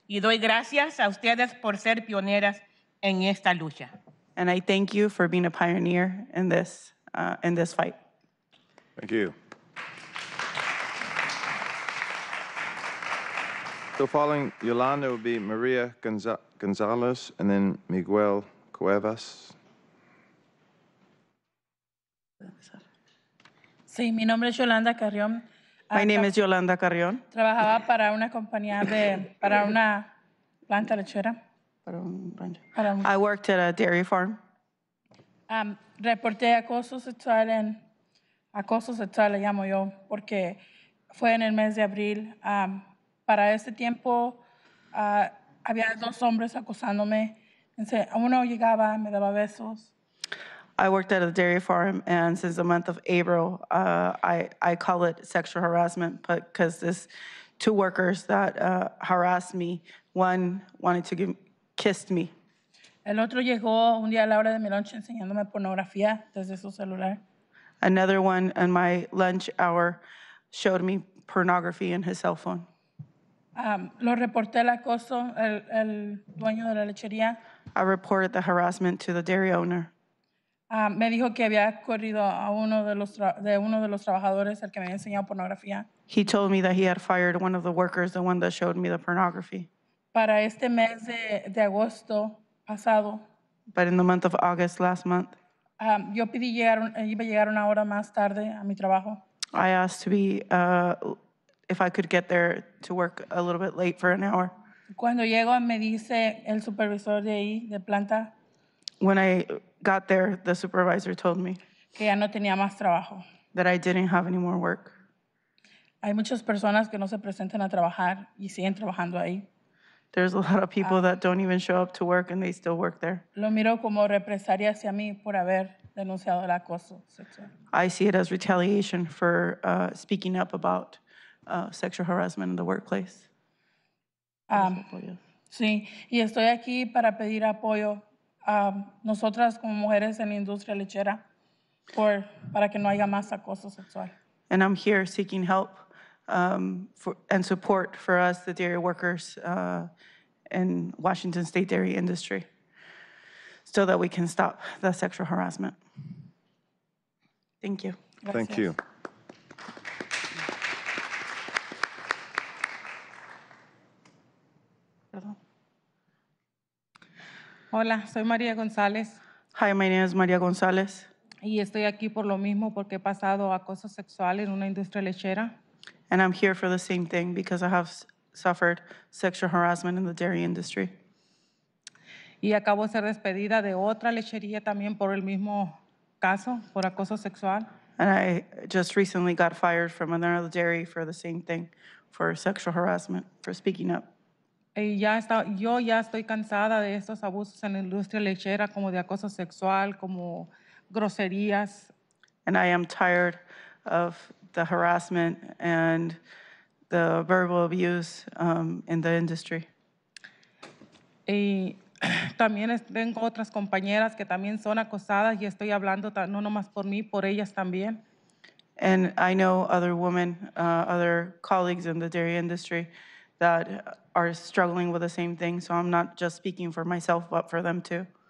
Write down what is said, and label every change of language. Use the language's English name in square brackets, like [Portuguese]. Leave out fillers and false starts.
[Spanish] Y doy gracias a ustedes por ser pioneras en esta lucha. [English] And I thank you for being a pioneer in this fight. Thank you. So following Yolanda will be Maria Gonzalez and then Miguel Cuevas. [Spanish] Sí, mi nombre es Yolanda Carrión. [English] My name is Yolanda Carrion. [Spanish] Trabajaba para una compañía de, para una planta lechera. [English] I worked at a dairy farm. [Spanish] Reporté acoso sexual le llamo yo, porque fue en el mes de abril. Para ese tiempo, había dos hombres acosándome. Uno llegaba, me daba besos. [English] I worked at a dairy farm, and since the month of April, I call it sexual harassment, but because this two workers that harassed me, one wanted to give, kissed me. [Spanish] El otro llegó un día a la hora de mi lunch enseñándome pornografía desde su celular. [English] Another one in my lunch hour showed me pornography in his cell phone. [Spanish] Lo reporté el acoso, el dueño de la lechería. [English] I reported the harassment to the dairy owner. [Spanish] Me dijo que había corrido a uno de los trabajadores al que me había enseñado pornografía. [English] He told me that he had fired one of the workers, the one that showed me the pornography. [Spanish] Para este mes de agosto pasado. [English] But in the month of August, last month. [Spanish] Yo pedí llegar, iba a llegar una hora más tarde a mi trabajo. [English] I asked to be, if I could get there to work a little bit late for an hour. [Spanish] Cuando llego me dice el supervisor de ahí, de planta. [English] When I got there, the supervisor told me [Spanish] que ya no tenía más trabajo. [English] That I didn't have any more work. [Spanish] Hay muchas personas que no se presentan a trabajar y siguen trabajando ahí. [English] There's a lot of people that don't even show up to work and they still work there. [Spanish] Lo miro como represalia hacia mí por haber denunciado el acoso sexual. [English] I see it as retaliation for speaking up about sexual harassment in the workplace. [Spanish] Sí, y estoy aquí para pedir apoyo a nosotras como mujeres en la industria lechera para que no haya más acoso sexual. [English] And I'm here seeking help and support for us, the dairy workers in Washington State dairy industry, so that we can stop the sexual harassment. Thank you. Gracias. Thank you. [Spanish] Hola, soy María González. [English] Hi, my name is María González. [Spanish] Y estoy aquí por lo mismo porque he pasado acoso sexual en una industria lechera. [English] And I'm here for the same thing because I have suffered sexual harassment in the dairy industry. [Spanish] Y acabo de ser despedida de otra lechería también por el mismo caso, por acoso sexual. [English] And I just recently got fired from another dairy for the same thing, for sexual harassment, for speaking up. [Spanish] Y ya está, yo ya estoy cansada de estos abusos en la industria lechera, como de acoso sexual, como groserías. [English] And I am tired of the harassment and the verbal abuse in the industry. [Spanish] Y también tengo otras compañeras que también son acosadas y estoy hablando no nomás por mí, por ellas también. [English] And I know other women, other colleagues in the dairy industry that are struggling with the same thing, so I'm not just speaking for myself, but for them too.